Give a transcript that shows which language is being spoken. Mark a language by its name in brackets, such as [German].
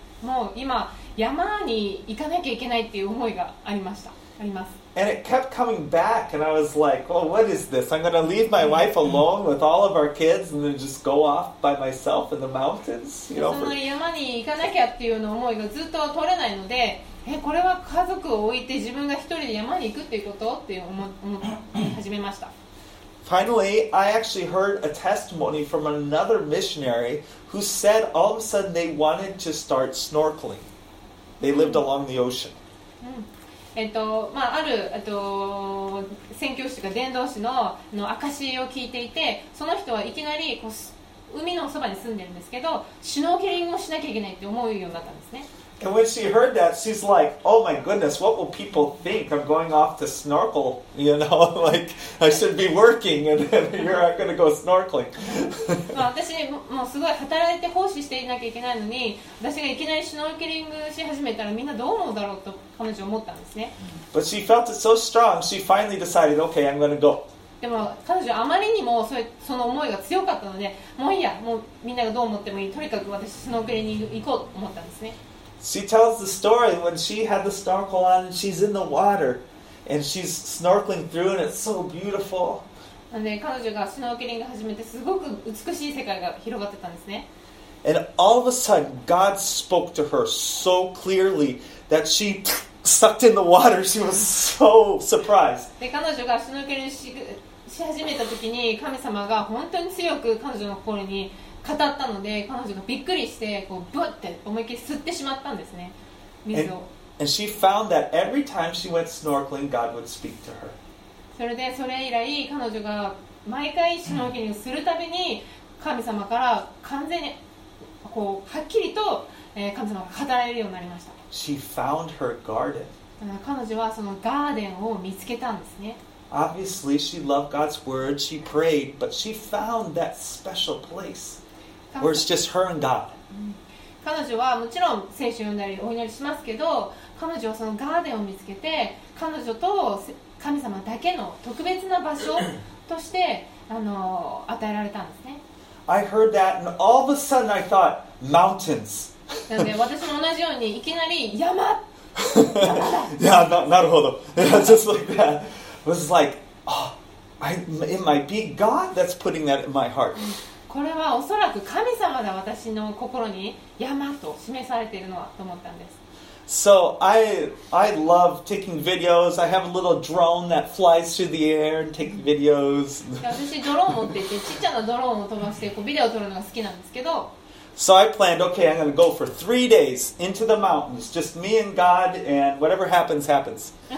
[Japanese] もう今山に行かなきゃいけないっていう思いがありました。あります。 [English] And it kept coming back, and I was like, oh, what is this? I'm going to leave my wife alone with all of our kids and then just go off by myself in the mountains. You know, [Japanese] その山に行かなきゃっていうの思いがずっと取れないので、え、これは家族を置いて自分が一人で山に行くっていうことって思い始めました。 [English] Finally, I actually heard a testimony from another missionary who said all of a sudden they wanted to start snorkeling. They lived along the ocean. [Japanese] まあ、ある宣教師とか伝道師 の証を聞いていて、その人はいきなりこう海のそばに住んでるんですけど、シュノーケリングをしなきゃいけないって思うようになったんですね。 [English] And when she heard that, she's like, oh my goodness, what will people think? I'm going off to snorkel, you know, like, I should be working, and here I'm going to go snorkeling. [Japanese] 私、もうすごい働いて奉仕していなきゃいけないのに、私がいきなりシュノーケリングし始めたらみんなどう思うだろうと彼女思ったんですね。 [English] But she felt it so strong, she finally decided, okay, I'm going to go. [Japanese] でも彼女あまりにもその思いが強かったので、もういいや、もうみんながどう思ってもいい、とにかく私シュノーケリング行こうと思ったんですね。 [English] She tells the story when she had the snorkel on and she's in the water and she's snorkeling through and it's so beautiful. [Japanese] で、彼女がスノーケリング始めてすごく美しい世界が広がってたんですね。 [English] And all of a sudden, God spoke to her so clearly that she sucked in the water. She was so surprised. [Japanese] で、彼女がスノーケリングし始めた時に神様が本当に強く彼女の心に語ったので、彼女がびっくりして、こうブッて思いっきり吸ってしまったんですね、水を。 [English] And she found that every time she went snorkeling, God would speak to her. [Japanese] それで、それ以来、彼女が毎回シュノーケリングするたびに、神様から完全に、こう、はっきりと、神様が語られるようになりました。 [English] She found her garden. [Japanese] 彼女はそのガーデンを見つけたんですね。 [English] Obviously, she loved God's word, she prayed, but she found that special place where it's just her and God. [Japanese] 彼女はもちろん聖書を読んだりお祈りしますけど、彼女はそのガーデンを見つけて、彼女と神様だけの特別な場所として与えられたんですね。 [English] I heard that and all of a sudden I thought, mountains. [Japanese] なので私も同じようにいきなり山、山だ。 [English] Yeah, [Japanese] なるほど。 [English] Just like that. Was like, oh, it might be God that's putting that in my heart. [Japanese] これはおそらく神様だ、私の心に山と示されているのはと思ったんです。 [English] So I love taking videos. I have a little drone that flies through the air and take videos. [Japanese] 私ドローン持っていて、ちっちゃなドローンを飛ばしてこうビデオを撮るのが好きなんですけど。 [English] So I planned, okay, I'm going to go for 3 days into the mountains, just me and God, and whatever happens, happens.